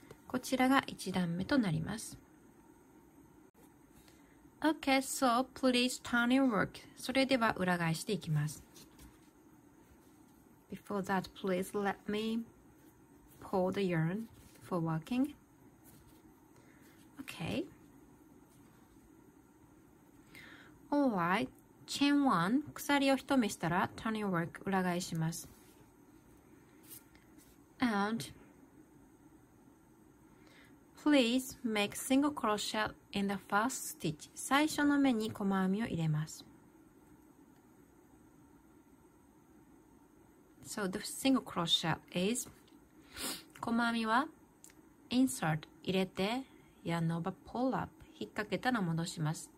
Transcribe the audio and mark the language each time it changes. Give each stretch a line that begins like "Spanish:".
Japanese: こちらが1段目となります。
English: OK, so please turn your work.
Japanese: それでは裏返していきます。
English: Before that, please let me pull the yarn for working. OK. Alright, chain 1,
Japanese: 鎖を一目したら
English: turn your work
Japanese: 裏返します。
English: And please make single crochet in the first stitch.
Japanese: 最初の目に細編みを入れます。
English: So the single crochet is
Japanese: 細編みは
English: insert
Japanese: 入れて
English: yarn over pull up
Japanese: 引っ掛けたの戻します。